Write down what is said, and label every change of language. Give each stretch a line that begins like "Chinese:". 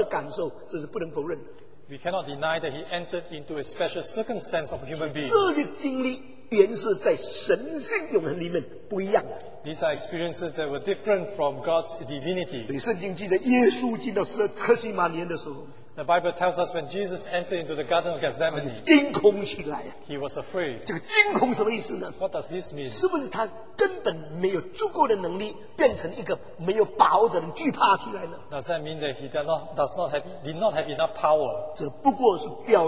Chinese: 就有人性特殊的环境，人性特殊的感受，这是不能否认的。
English: We cannot deny that he entered into a special circumstance of human being.
Chinese: 这些经历原是在神性永恒里面不一样的。
English: These are experiences that were different from God's divinity.
Chinese: 圣经记载耶稣进到科西玛尼园的时候，
English: the Bible tells us when Jesus entered into the Garden of Gethsemane,
Chinese: 惊恐起来，
English: he was afraid.
Chinese: 这个惊恐什么意思呢？
English: What does this mean?
Chinese: 是不是他根本没有足够的能力变成一个没有把握的人惧怕起来呢？
English: Does that mean that he did not have enough power?